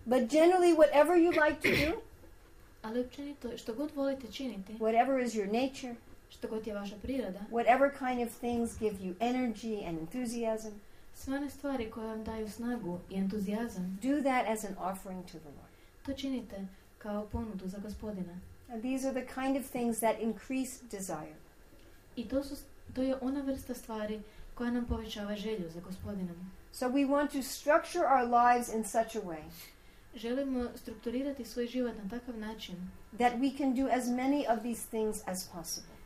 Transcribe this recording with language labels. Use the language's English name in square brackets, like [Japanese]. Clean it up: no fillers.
[English] But generally, whatever you like to do, [Croatian] ali općenito, što god volite činiti, [English] whatever is your nature, [Croatian] što god je vaša priroda, [English] whatever kind of things give you energy and enthusiasm, [Croatian] sve one stvari koje vam daju snagu i entuzijazam, [English] do that as an offering to the Lord. [Croatian] To činite kao ponudu za gospodina. [English] And these are the kind of things that increase desire. [Croatian] I to je ona vrsta stvari koja nam povećava želju za gospodinom. [English] So we want to structure our lives in such a way. [Croatian] Želimo strukturirati svoj život na takav način [English] that we can do as many of these things as possible.